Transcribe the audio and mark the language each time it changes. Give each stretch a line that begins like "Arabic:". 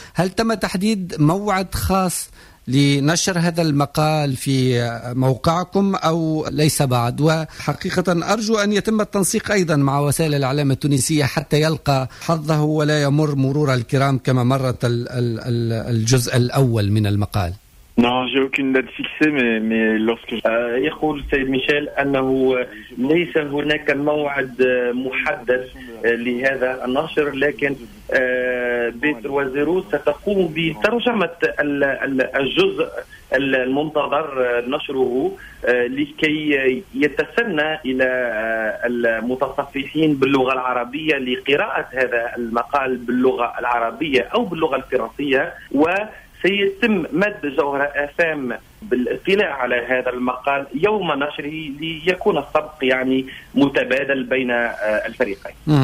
Arabic: هل تم تحديد موعد خاص لنشر هذا المقال في موقعكم أو ليس بعد؟ وحقيقة أرجو أن يتم التنسيق أيضا مع وسائل الإعلام التونسية حتى يلقى حظه ولا يمر مرور الكرام كما مرت الجزء الأول من المقال.
French: Non, j'ai aucune date fixée, mais lorsque
Arabic: يقول سيد ميشيل أنه ليس هناك موعد محدد لهذا النشر, لكن بيت وزيرو ستقوم بترجمة الجزء المنتظر نشره لكي يتسنى إلى المتصفحين باللغة العربية لقراءة هذا المقال باللغة العربية أو باللغة الفرنسية, و سيتم مد جوهرة FM بالاطلاع على هذا المقال يوم نشره ليكون السبق يعني متبادل بين الفريقين.